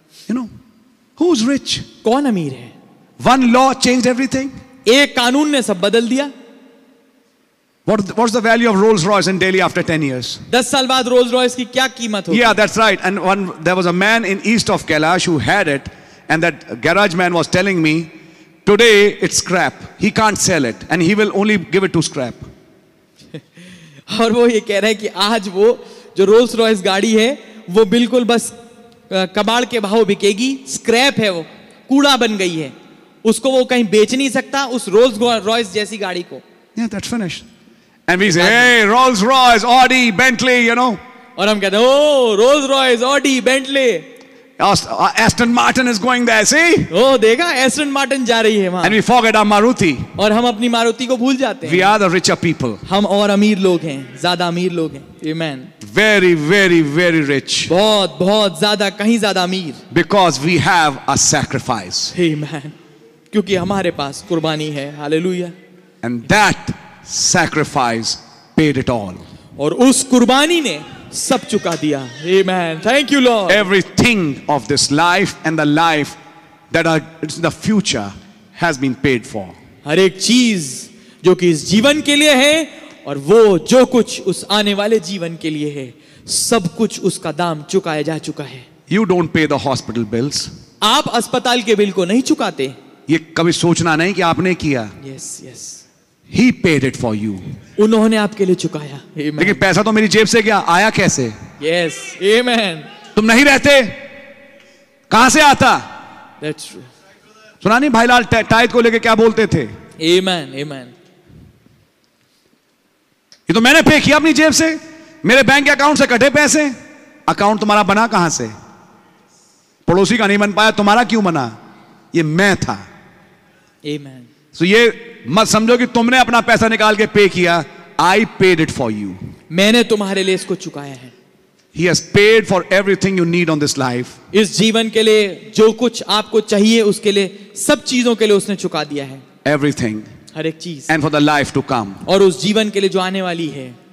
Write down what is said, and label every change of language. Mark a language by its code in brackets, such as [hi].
[en] You know, who's rich? [hi] कौन अमीर है? [en] One law changed everything. [hi] एक कानून ने सब बदल दिया. [en] What's the value of Rolls Royce in Delhi after 10 years? [hi] 10 साल बाद Rolls Royce की क्या कीमत होगी? [en] Yeah, that's right. And one, there was a man in east of Kailash who had it, and that garage man was telling me, today it's scrap. He can't sell it, and he will only give it to scrap. [hi] और वो ये कह रहा है कि आज वो जो रोल्स रॉयस गाड़ी है वो बिल्कुल बस कबाड़ के भाव बिकेगी. स्क्रैप है, वो कूड़ा बन गई है. उसको वो कहीं बेच नहीं सकता, उस रोल्स रॉयस जैसी गाड़ी को. [en] Yeah, that's finished. And we say, hey, Rolls Royce, Audi, Bentley, you know. [hi] और हम कहते हैं, oh, Rolls Royce, Audi, Bentley. [en] Aston Martin is going there, see? [hi] Oh, देखा, Aston Martin जा रही है वहाँ. [en] And we forget our Maruti. [hi] और हम अपनी मारुति को भूल जाते हैं. [en] We are the richer people. [hi] हम और अमीर लोग हैं, ज़्यादा अमीर लोग हैं. [en] Amen. Very, very, very rich. [hi] बहुत, बहुत ज़्यादा, कहीं ज़्यादा अमीर. [en] Because we have a sacrifice. Amen. [hi] क्योंकि हमारे पास कुर्बानी है. [en] Hallelujah. And that sacrifice paid it all. [hi] और उस कुर्बानी ने सब चुका दिया. [en] Amen. Thank you, Lord. Everything of this life and the life that is in the future has been paid for. [hi] हर एक चीज जो कि इस जीवन के लिए है और वो जो कुछ उस आने वाले जीवन के लिए है, सब कुछ उसका दाम चुकाया जा चुका है. [en] You don't pay the hospital bills. [hi] आप अस्पताल के बिल को नहीं चुकाते. ये कभी सोचना नहीं कि आपने किया. [en] Yes, yes. He paid it for you. [hi] उन्होंने आपके लिए चुकाया. लेकिन पैसा तो मेरी जेब से गया, आया कैसे? [en] Yes. Amen. [hi] तुम नहीं रहते, कहां से आता? [en] That's true. [hi] सुना नहीं भाईलाल टाइट को लेके क्या बोलते थे? [en] Amen. Amen. [hi] ये तो मैंने पे किया अपनी जेब से, मेरे बैंक के अकाउंट से कटे पैसे. अकाउंट तुम्हारा बना कहां से? पड़ोसी का नहीं बन पाया, तुम्हारा क्यों बना? ये मैं था. [en] Amen. [hi] So ये मत समझो कि तुमने अपना पैसा निकाल के पे किया. [en] I paid it for you. [hi] मैंने तुम्हारे लिए इसको चुकाया है. [en] He has paid for everything you need on this life. [hi] इस जीवन के लिए जो कुछ आपको चाहिए उसके लिए, सब चीजों के लिए उसने चुका दिया है. [en] Everything. [hi] हर एक चीज. [en] And for the life to come. [hi] और उस जीवन के लिए जो आने वाली है.